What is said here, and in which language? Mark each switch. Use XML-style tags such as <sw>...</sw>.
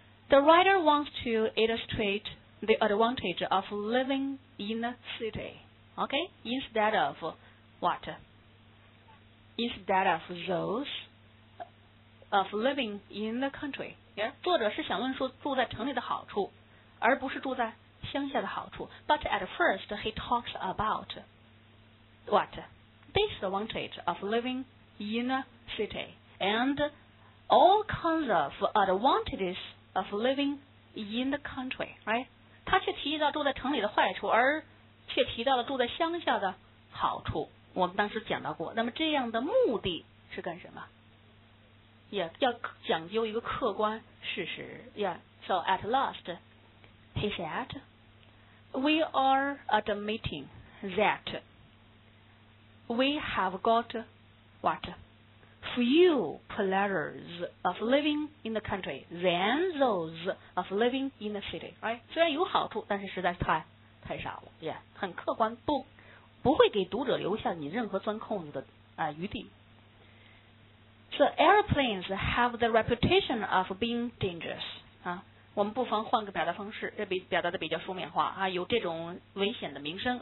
<en>The writer wants to illustrate the advantage of living in a city, okay? Instead of what? Instead of those of living in the country. Yeah?</en> <zh>作者是想论述住在城里的好处，而不是住在乡下的好处。</zh> <en>But at first, he talks about what? Disadvantage of living in a city. AndAll kinds of advantages of living in the country, right?</en> <zh>他却提到住在城里的坏处，而却提到了住在乡下的好处。我们当时讲到过，那么这样的目的是干什么？ Yeah, 要讲究一个客观事实。</zh> <en>Yeah, so at last, he said, we are admitting that we have got what? Few pleasures of living in the country than those of living in the city, right?</en> <zh>虽然有好处，但是实在是太少了， yeah, 很客观，不会给读者留下你任何钻空子的余地。</zh> <en>So airplanes have the reputation of being dangerous.</en> <zh>啊，我们不妨换个表达方式，这表达的比较书面化啊，有这种危险的名声。</zh>